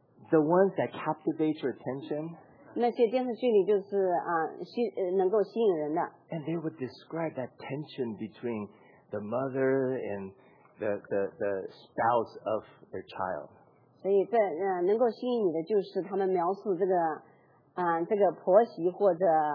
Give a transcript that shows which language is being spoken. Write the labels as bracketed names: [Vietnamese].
[English] the ones that captivate your attention, [Chinese] 那些电视剧里就是能够吸引人的, [English] and they would describe that tension between the mother and the spouse of their child. [Chinese] 所以在能够吸引你的就是他们描述这个婆媳或者